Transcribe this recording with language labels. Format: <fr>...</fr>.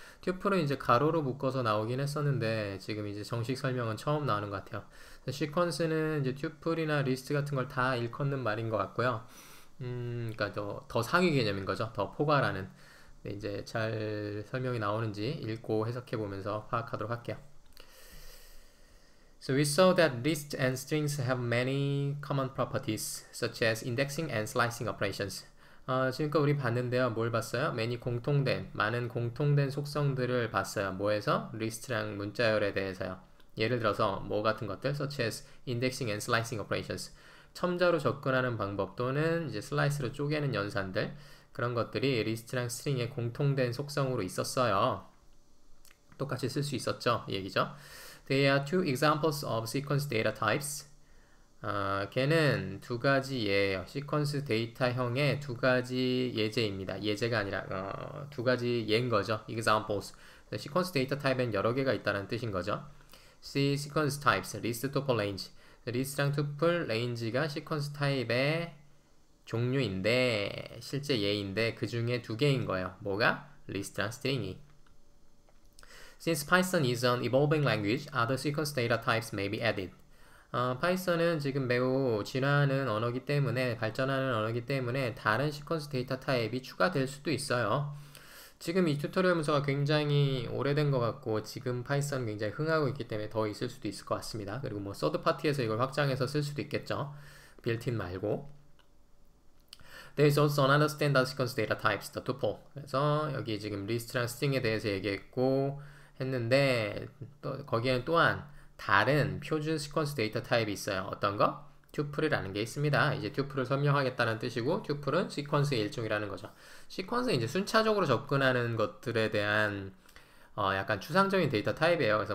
<ko>튜플은 이제 가로로 묶어서 나오긴 했었는데 지금 이제 정식 설명은 처음 나오는 것 같아요. 시퀀스는 이제 튜플이나 리스트 같은 걸다 일컫는 말인 것 같고요. 그러니까 더 상위 개념인 거죠. 더 포괄하는. 네, 이제 잘 설명이 나오는지 읽고 해석해 보면서 파악하도록 할게요.</ko> <en>So we saw that lists and strings have many common properties, such as indexing and slicing operations.</en> <ko>지금까지 우리 봤는데요. 뭘 봤어요? Many 공통된 속성들을 봤어요. 뭐에서? list랑 문자열에 대해서요. 예를 들어서, 뭐 같은 것들?</ko> <en>such as indexing and slicing operations.</en> <ko>첨자로 접근하는 방법 또는 이제 슬라이스로 쪼개는 연산들. 그런 것들이 list랑 string의 공통된 속성으로 있었어요. 똑같이 쓸수 있었죠? 이 얘기죠?</ko> <en>They are two examples of sequence data types.</en> <ko>걔는 두 가지 예예요. sequence 데이터형의 두 가지 예제입니다. 예제가 아니라 두 가지 예인 거죠. examples. sequence 데이터 타입엔 여러 개가 있다는 뜻인 거죠.</ko> <en>See sequence types, list, tuple, range.</en> <ko>list랑 tuple, range가 sequence 타입의 종류인데 실제 예인데 그 중에 두 개인 거예요. 뭐가? list랑 string이.</ko> <en>Since Python is an evolving language, other sequence data types may be added.</en> <ko>Python은 지금 매우 진화하는 언어이기 때문에, 발전하는 언어이기 때문에 다른 시퀀스 데이터 타입이 추가될 수도 있어요. 지금 이 튜토리얼 문서가 굉장히 오래된 것 같고, 지금 파이썬 굉장히 흥하고 있기 때문에 더 있을 수도 있을 것 같습니다. 그리고 뭐 서드 파티에서 이걸 확장해서 쓸 수도 있겠죠. 빌트인 말고.</ko> <en>There is also another standard sequence data types, the tuple.</en> <ko>그래서 여기 지금 리스트랑 스트링에 대해서 얘기했고, 했는데 또 거기에는 또한 다른 표준 시퀀스 데이터 타입이 있어요. 어떤 거? 튜플이라는 게 있습니다. 이제 튜플을 설명하겠다는 뜻이고 튜플은 시퀀스의 일종이라는 거죠. 시퀀스는 이제 순차적으로 접근하는 것들에 대한 약간 추상적인 데이터 타입이에요.</ko>